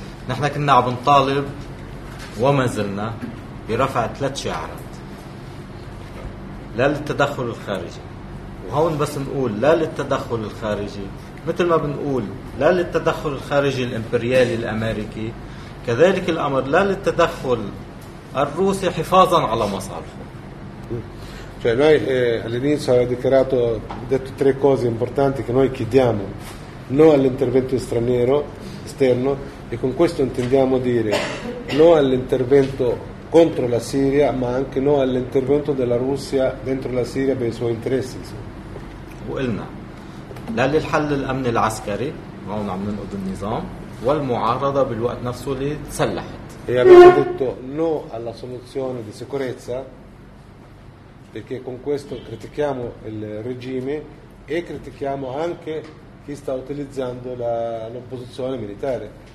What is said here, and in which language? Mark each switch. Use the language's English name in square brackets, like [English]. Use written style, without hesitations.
[Arabic] نحن كنا عم نطالب وما زلنا برفع 3 شعارات لا للتدخل الخارجي، وهون بس نقول لا للتدخل الخارجي مثل ما بنقول لا للتدخل الخارجي الإمبريالي الأمريكي، كذلك الأمر لا للتدخل الروسي حفاظا على مصالحه. [Italian] Cioè noi all'inizio avevo dichiarato, detto 3 cose importanti che noi chiediamo: no all'intervento straniero, esterno, e con questo intendiamo dire no all'intervento contro la Siria, ma anche no all'intervento della Russia dentro la Siria per i suoi interessi. [Arabic] وقلنا لا للحل الأمني العسكري، هون عم ننقض النظام، والمعارضة بالوقت نفسه اللي تسلحت. [Italian] E abbiamo detto no alla soluzione di sicurezza, perché con questo critichiamo il regime e critichiamo anche chi sta utilizzando l'opposizione militare.